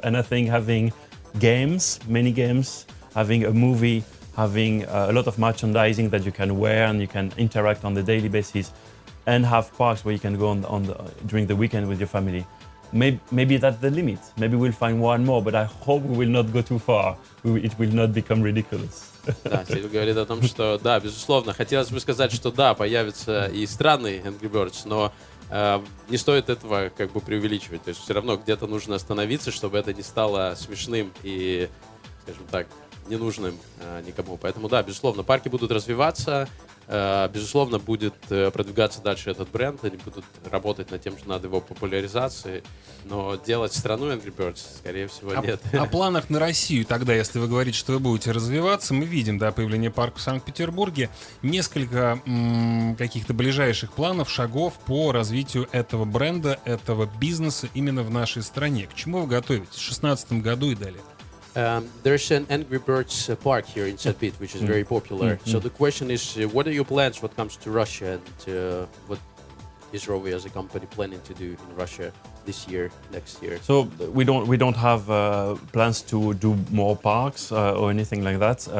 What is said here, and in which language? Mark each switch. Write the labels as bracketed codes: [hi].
[en] And I think having games, many games, having a movie, having a lot of merchandising that you can wear and you can interact on the daily basis, and have parks where you can go during the weekend with your family. Maybe that's the limit. Maybe we'll find one more, but I hope we will not go too far. It will not become ridiculous. [ru] Да, Кирилл говорит о том, что да, безусловно, хотелось бы сказать, что да, появятся и страны Angry Birds, но не стоит этого как бы преувеличивать. То есть все равно где-то нужно остановиться, чтобы это не стало смешным и, скажем так, ненужным никому. Поэтому да, безусловно, парки будут развиваться, безусловно, будет продвигаться дальше этот бренд, они будут работать над тем, что надо его популяризации, но делать страну Angry Birds, скорее всего, нет. О планах на Россию тогда, если вы говорите, что вы будете развиваться, мы видим, да, появление парка в Санкт-Петербурге, несколько каких-то ближайших планов, шагов по развитию этого бренда, этого бизнеса именно в нашей стране. К чему вы готовитесь? В 2016 году и далее. [en] There's an Angry Birds park here in St. Pete, which is very popular. Mm-hmm. So the question is, what are your plans when it comes to Russia, and what is Rovi as a company planning to do in Russia this year, next year? So we don't have plans to do more parks or anything like that.